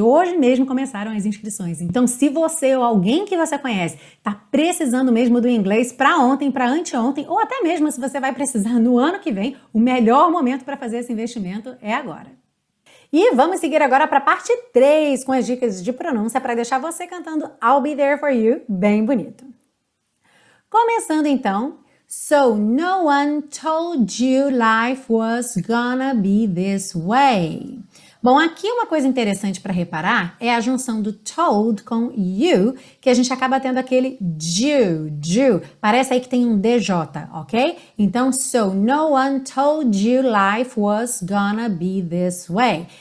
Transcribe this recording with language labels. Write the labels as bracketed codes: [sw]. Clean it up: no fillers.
[pt] Hoje mesmo começaram as inscrições. Então, se você ou alguém que você conhece está precisando mesmo do inglês para ontem, para anteontem, ou até mesmo se você vai precisar no ano que vem, o melhor momento para fazer esse investimento é agora. E vamos seguir agora para a parte 3 com as dicas de pronúncia para deixar você cantando [en] I'll be there for you [pt] bem bonito. Começando então. [en] So no one told you life was gonna be this way. [pt] Bom, aqui uma coisa interessante para reparar é a junção do told com you, que a gente acaba tendo aquele do. Parece aí que tem um DJ, ok? Então, [en] so no one told you life was gonna be this way.